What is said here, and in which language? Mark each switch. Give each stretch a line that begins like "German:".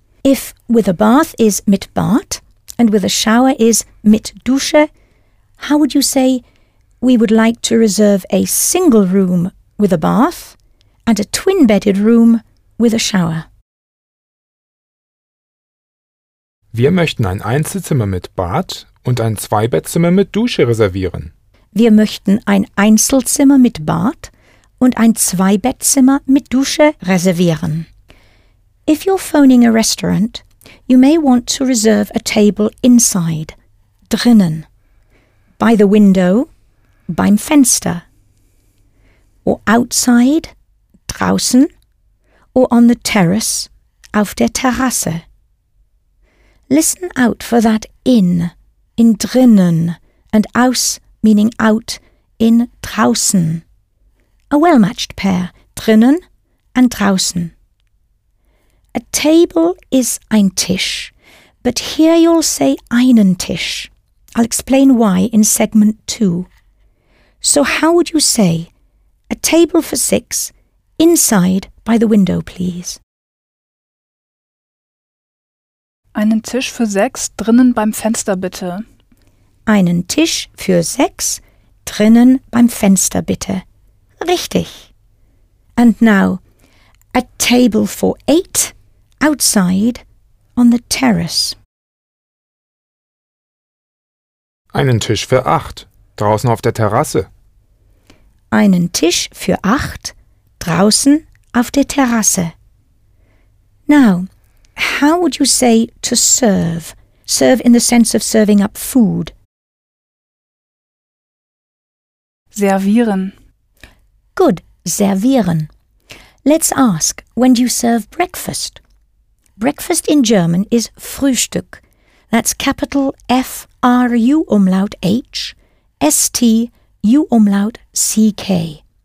English: If with a bath is
German: mit Bad
English: and with a shower is
German: mit Dusche,
English: how would you say, we would like to reserve a single room with a bath and a twin-bedded room with a shower?
German: Wir möchten ein Einzelzimmer mit Bad und ein Zweibettzimmer mit Dusche reservieren. Wir möchten ein Einzelzimmer mit Bad und ein Zweibettzimmer mit Dusche reservieren.
English: If you're phoning a restaurant, you may want to reserve a table inside, drinnen, by the window,
German: beim Fenster,
English: or outside, draußen, or on the terrace,
German: auf der Terrasse.
English: Listen out for that in drinnen, and aus, meaning out, in draußen. A well-matched pair, drinnen and draußen. A table is
German: ein Tisch,
English: but here you'll say
German: einen Tisch.
English: I'll explain why in segment two. So how would you say, a table for six, inside by the window, please?
German: Einen Tisch für sechs, drinnen beim Fenster, bitte. Einen Tisch für sechs, drinnen beim Fenster, bitte. Richtig.
English: And now, a table for eight, outside, on the terrace.
German: Einen Tisch für acht, draußen auf der Terrasse. Einen Tisch für acht, draußen auf der Terrasse.
English: Now, how would you say to serve? Serve in the sense of serving up food.
German: Servieren.
English: Good, servieren. Let's ask, when do you serve breakfast? Breakfast in German is Frühstück. That's capital F-R-U umlaut H-S-T U umlaut C-K.